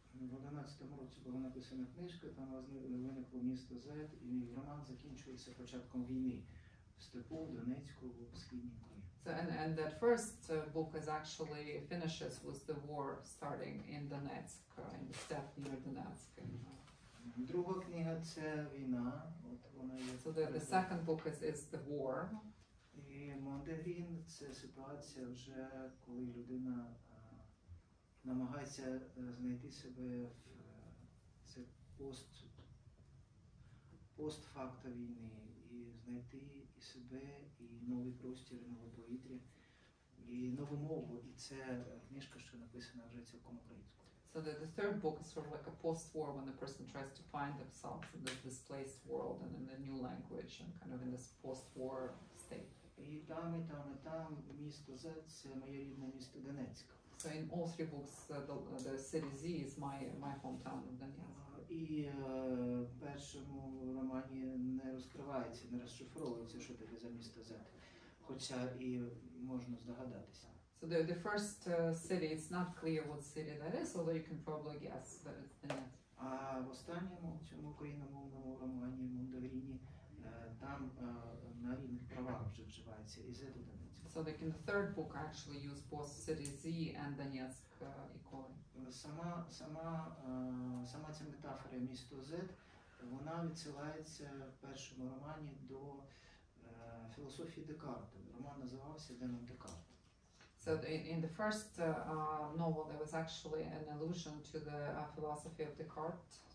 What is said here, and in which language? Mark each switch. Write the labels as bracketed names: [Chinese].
[Ukrainian] В 11-му році була написана книжка, там виникло місто Z, і роман закінчується початком війни. [English] So and that first book is actually finishes with the war starting in Donetsk, in the steppe near Donetsk. [Ukrainian] Друга книга це війна. От вона є. [English] So the second book is the war. [Ukrainian] І Мондегрін це ситуація вже коли людина намагається знайти себе в це постфакта війни. Знайти і себе, і новий простір, і нове повітря, і нову мову. І це книжка, що написана вже цілком українською. [English] So the third book is sort of like a post-war when the person tries to find themselves in this displaced world and in the new language and kind of in this post-war state. [Ukrainian] І там місто Z це моє рідне місто Донецьк. [English] So in all three books the city Z is my hometown of Donetsk. [Ukrainian] І в першому романі не розкривається, не розшифровується, що таке за місто Z, хоча і можна здогадатися. [English] So the first city, it's not clear what city that is, although you can probably guess that it's the next. [Ukrainian] А в останньому, цьому україномовному романі, Мондегріні, там на рівних правах вже вживається і Z, і Донецьк. [English] So like in the third book actually use both city Z and Donetsk equally. [Ukrainian] Сама ця метафора місто Z, вона відсилається в першому романі до філософії Декарта. Роман називався «Демон Декарт». [English] So in the first novel there was actually an allusion to the philosophy of Descartes?